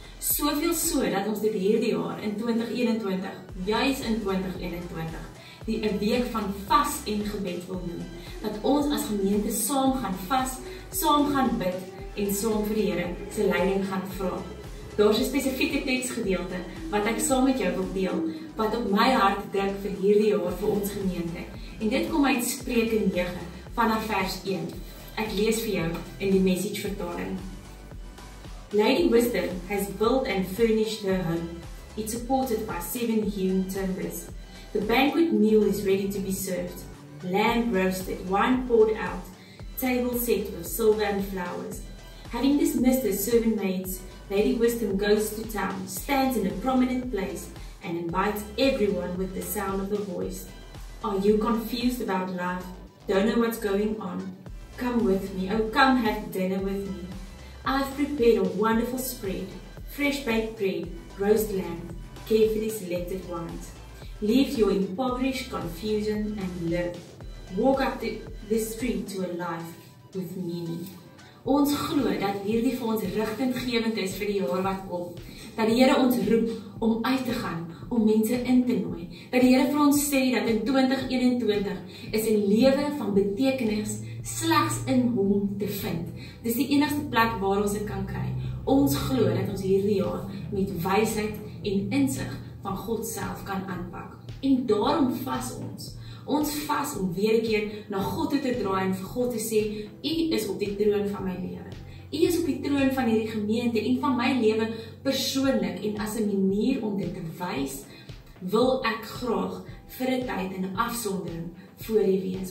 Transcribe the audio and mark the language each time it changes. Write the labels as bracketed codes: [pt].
[af] Soveel so dat ons dit hierdie jaar in 2021, juis in 2021, die 'n week van vas en gebed wil noem. Dat ons as gemeente saam gaan vas, saam gaan bid en saam vir die Here se leiding gaan vra. Daar is 'n spesifieke teksgedeelte wat ek saam met jou wil deel wat op my hart druk vir hierdie jaar vir ons gemeente. En dit kom uit Spreuke 9 vanaf vers 1. Ek lees vir jou in die Message vertaling. [en] Lady Wisdom has built and furnished her home. It's supported by 7 hewn timbers. The banquet meal is ready to be served. Lamb roasted, wine poured out, table set with silver and flowers. Having dismissed her servant maids, Lady Wisdom goes to town, stands in a prominent place, and invites everyone with the sound of her voice. Are you confused about life? Don't know what's going on? Come with me, oh come have dinner with me. I've prepared a wonderful spread, fresh baked bread, roast lamb, carefully selected wines. Leave your impoverished confusion and live. Walk up the street to a life with meaning. [af] Ons glo dat hierdie vir ons rigtinggewend is vir die jaar wat kom. Dat die Here ons roep om uit te gaan, om mense in te nooi. Dat die Here vir ons sê dat in 2021 is 'n lewe van betekenis slegs in Hom te vind. Dis die enigste plek waar ons dit kan kry. Ons glo dat ons hierdie jaar met wysheid en insig van God self kan aanpak. En daarom vas ons. Ons vas om weer 'n keer na God toe te draai en vir God te sê, U is op die troon van my lewe. U is op die troon van hierdie gemeente en van my lewe persoonlik en as 'n manier om dit te wys, wil ek graag vir 'n tyd in afsondering voor U wees.